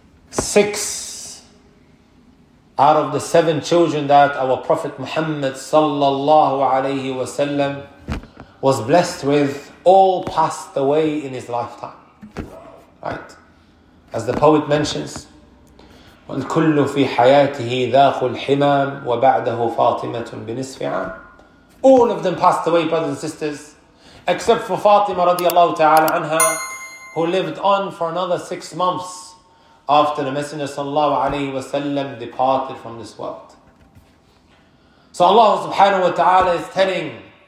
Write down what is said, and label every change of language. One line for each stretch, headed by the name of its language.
English: Six out of the seven children that our Prophet Muhammad sallallahu alayhi wasallam was blessed with all passed away in his lifetime, right? As the poet mentions,
Arabic: وَالْكُلُّ فِي حَيَاتِهِ ذَاقُ الْحِمَامِ وَبَعْدَهُ فَاطِمَةٌ بِنِصْفِ عَامٍ.
English: All of them passed away, brothers and sisters, except for Fatima radiallahu ta'ala anha, who lived on for another 6 months after the Messenger sallallahu alayhi wa sallam departed from this world. So Allah subhanahu wa ta'ala is telling